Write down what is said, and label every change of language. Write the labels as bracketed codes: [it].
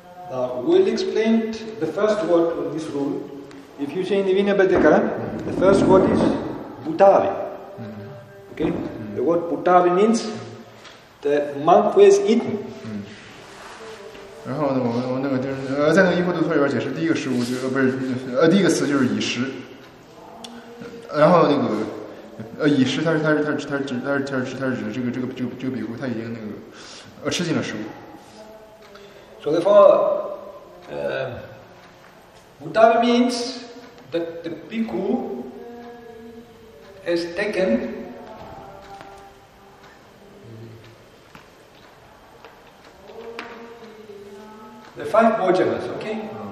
[en] We'll explain the first word of this rule. If you say in the Vinaya Bhattakara, the first word is Bhutavi. Okay? The word Bhutavi means the monk who has eaten. [zh] 然后呢，我那个就是在那个《依钵度脱》里边解释，第一个食物就不是第一个词就是以食。然后那个以食，它是指这个比丘他已经那个吃进了食物。 [en] So therefore, Bhutavi means that the bhikkhu has taken the five bhojanas, okay?